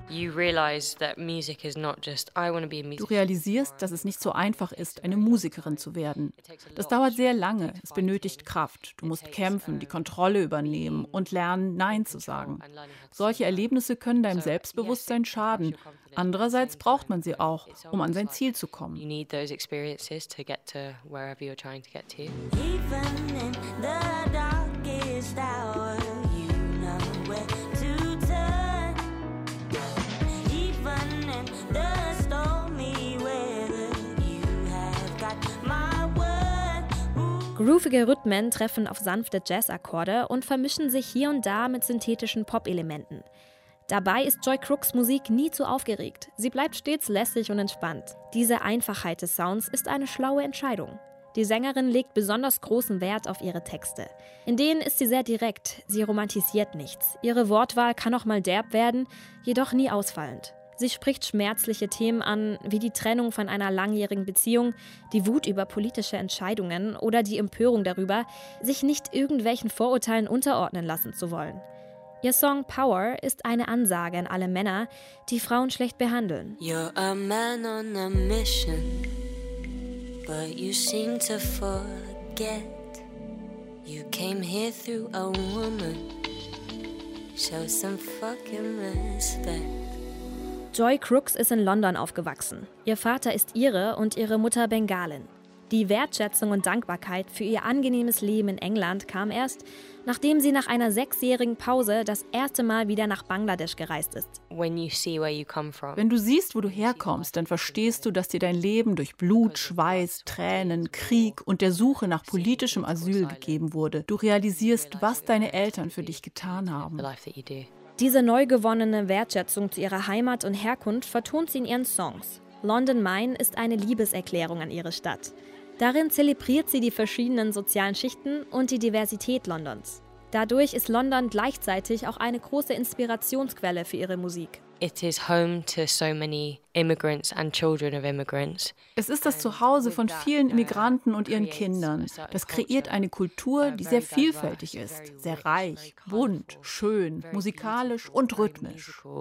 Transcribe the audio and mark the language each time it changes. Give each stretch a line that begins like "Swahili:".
German: Du realisierst, dass es nicht so einfach ist, eine Musikerin zu werden. Das dauert sehr lange, es benötigt Kraft. Du musst kämpfen, die Kontrolle übernehmen und lernen, Nein zu sagen. Solche Erlebnisse können deinem Selbstbewusstsein schaden. Andererseits braucht man sie auch, um an sein Ziel zu kommen.
English: Need those experiences to get to wherever you're trying to get to. Even in the darkest hour, you know where to turn. Even in the stormy weather, you have got my word.
German: Groovige Rhythmen treffen auf sanfte Jazz-Akkorde und vermischen sich hier und da mit synthetischen Pop-Elementen. Dabei ist Joy Crooks Musik nie zu aufgeregt. Sie bleibt stets lässig und entspannt. Diese Einfachheit des Sounds ist eine schlaue Entscheidung. Die Sängerin legt besonders großen Wert auf ihre Texte. In denen ist sie sehr direkt, sie romantisiert nichts. Ihre Wortwahl kann auch mal derb werden, jedoch nie ausfallend. Sie spricht schmerzliche Themen an, wie die Trennung von einer langjährigen Beziehung, die Wut über politische Entscheidungen oder die Empörung darüber, sich nicht irgendwelchen Vorurteilen unterordnen lassen zu wollen. Ihr Song Power ist eine Ansage an alle Männer, die Frauen schlecht behandeln.
English: You're a man on a mission, but you seem to forget. You came here through a woman, show some fucking respect.
German: Joy Crooks ist in London aufgewachsen. Ihr Vater ist Ire und ihre Mutter Bengalin. Die Wertschätzung und Dankbarkeit für ihr angenehmes Leben in England kam erst, nachdem sie nach einer 6-jährigen Pause das erste Mal wieder nach Bangladesch gereist ist. Wenn du siehst, wo du herkommst, dann verstehst du, dass dir dein Leben durch Blut, Schweiß, Tränen, Krieg und der Suche nach politischem Asyl gegeben wurde. Du realisierst, was deine Eltern für dich getan haben. Diese neu gewonnene Wertschätzung zu ihrer Heimat und Herkunft vertont sie in ihren Songs. London Mine ist eine Liebeserklärung an ihre Stadt. Darin zelebriert sie die verschiedenen sozialen Schichten und die Diversität Londons. Dadurch ist London gleichzeitig auch eine große Inspirationsquelle für ihre Musik.
English: It is home to so many immigrants and children of immigrants.
German: Es ist das Zuhause von vielen Immigranten und ihren Kindern. Das kreiert eine Kultur, die sehr vielfältig ist, sehr reich, bunt, schön, musikalisch und rhythmisch.